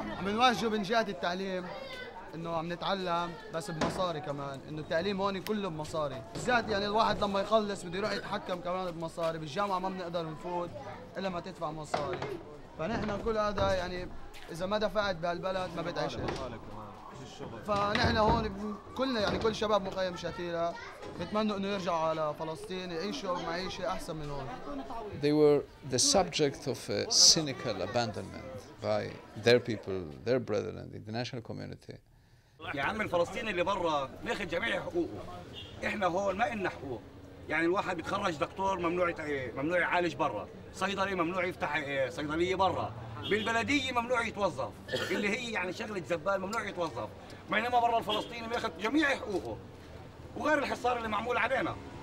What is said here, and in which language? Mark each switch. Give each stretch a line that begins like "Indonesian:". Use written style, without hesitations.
Arabic: عم نواجهه من جهة التعليم إنه عم نتعلم بس بمصاري كمان إنه التعليم هون كله بمصاري بالذات يعني الواحد لما يخلص بده يروح يتحكم كمان بمصاري بالجامعة ما بنقدر نفوت إلا ما تدفع مصاري فنحن كل هذا يعني إذا ما دفعت بهالبلد ما بتعيش فنحن هون كلنا يعني كل شباب مخيم شتيلة بتمنى إنه يرجع على فلسطين يعيشوا معيشة أحسن من هون.
English: They were the subject of a cynical abandonment by their people, their brethren, the international community.
Arabic: يا عم الفلسطيني اللي برا ناخذ جميع حقوقه احنا هون ما إلنا حقوق يعني الواحد بيتخرج دكتور ممنوع يعالج برا صيدلي ممنوع يفتح صيدلية برا بالبلدية ممنوع يتوظف اللي هي يعني شغلة زبال ممنوع يتوظف بينما برا الفلسطيني بياخذ جميع حقوقه وغير الحصار اللي معمول علينا